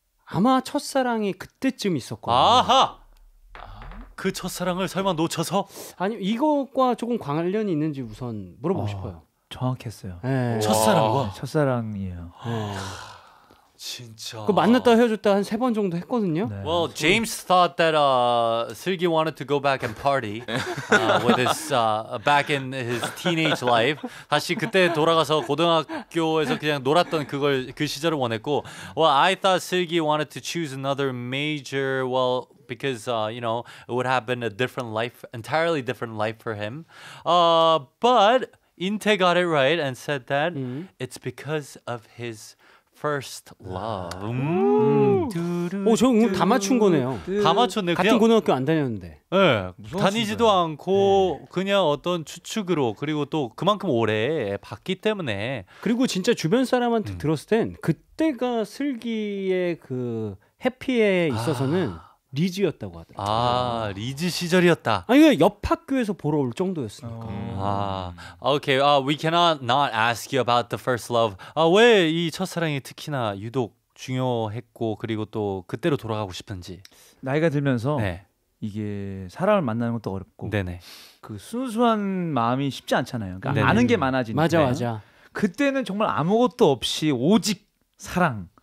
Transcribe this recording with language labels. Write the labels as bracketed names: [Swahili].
[Korean] 아마 첫사랑이 그때쯤 있었거든요. 아하! 그 첫사랑을 설마 놓쳐서? 아니 이것과 조금 관련이 있는지 우선 물어보고 싶어요. 정확했어요. 네. 첫사랑과? 첫사랑이에요. 진짜. 그 만났다 헤어졌다 한 세 번 정도 했거든요. 네. [English] Well, James thought that Seulgi wanted to go back and party with his back in his teenage life. [Korean] 다시 그때 돌아가서 고등학교에서 그냥 놀았던 그걸 그 시절을 원했고. [English] Well, I thought Seulgi wanted to choose another major. Well, because you know, it would have been a different life, entirely different life for him. But Inte got it right and said that it's because of his First love. [Korean] 오, 저 오늘 다 맞춘 거네요. 다 맞췄네. 같은 그냥, 고등학교 안 다녔는데. 예, 네, 다니지도 진짜. 않고 네. 그냥 어떤 추측으로 그리고 또 그만큼 오래 봤기 때문에. 그리고 진짜 주변 사람한테 들었을 땐 그때가 슬기의 그 해피에 있어서는 리즈였다고 하더라고요. 아, 리즈 시절이었다. 아니 그 옆 학교에서 보러 올 정도였으니까. 오케이. [English] We cannot not ask you about the first love. [Korean] 왜 이 첫사랑이 특히나 유독 중요했고 그리고 또 그때로 돌아가고 싶은지. 나이가 들면서 네. 이게 사람을 만나는 것도 어렵고 네네. 그 순수한 마음이 쉽지 않잖아요. 그러니까 아는 게 많아지니까. 맞아 맞아. 그때는 정말 아무것도 없이 오직 사랑.